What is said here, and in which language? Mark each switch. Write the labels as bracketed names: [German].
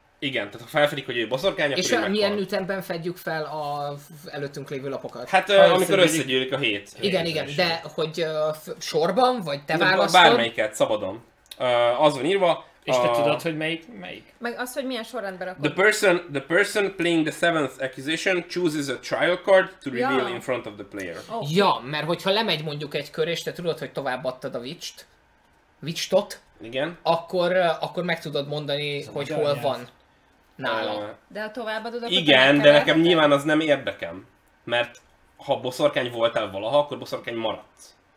[Hungarian] Igen, tehát ha felfedik, hogy ő boszorkány, és akkor és milyen ütemben fedjük fel a előttünk lévő lapokat? Hát amikor összegyűlik a 7. Igen, igen, de hogy sorban, vagy te választod? Bármelyiket, szabadon. Az van írva. És te tudod, hogy melyik? Meg az, hogy milyen sorrendben rakod. [English] The person playing the seventh accusation chooses a trial card to reveal in front of the player. Oh. [Hungarian] Ja, mert hogyha lemegy mondjuk egy kör, és te tudod, hogy továbbadtad a witch-tot, igen. Akkor meg tudod mondani, szóval hogy hol jelent. Van nála. De ha továbbadod, akkor igen, de nekem érdekel? Nyilván az nem érdekem. Mert ha boszorkány voltál valaha, akkor boszorkány maradsz.